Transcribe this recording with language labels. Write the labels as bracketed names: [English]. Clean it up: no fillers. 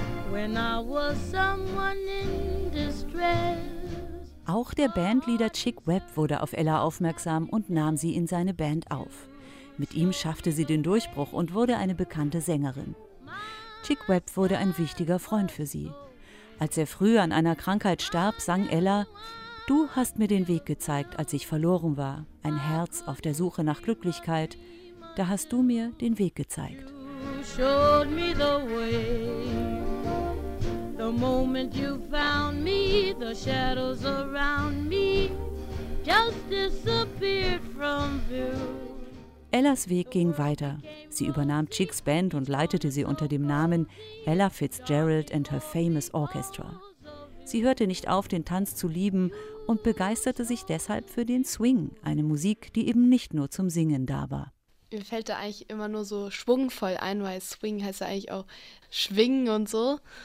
[English] when I was someone in distress. [German] Auch der Bandleader Chick Webb wurde auf Ella aufmerksam und nahm sie in seine Band auf. Mit ihm schaffte sie den Durchbruch und wurde eine bekannte Sängerin. Chick Webb wurde ein wichtiger Freund für sie. Als er früh an einer Krankheit starb, sang Ella: Du hast mir den Weg gezeigt, als ich verloren war. Ein Herz auf der Suche nach Glücklichkeit. Da hast du mir den Weg gezeigt. [English] You showed me the way. The moment you found me, the shadows around me just disappeared from view. [German] Ellas Weg ging weiter. Sie übernahm Chicks Band und leitete sie unter dem Namen Ella Fitzgerald and Her Famous Orchestra. Sie hörte nicht auf, den Tanz zu lieben und begeisterte sich deshalb für den Swing, eine Musik, die eben nicht nur zum Singen da war. Mir fällt da eigentlich immer nur so schwungvoll ein, weil Swing heißt ja eigentlich auch Schwingen und so.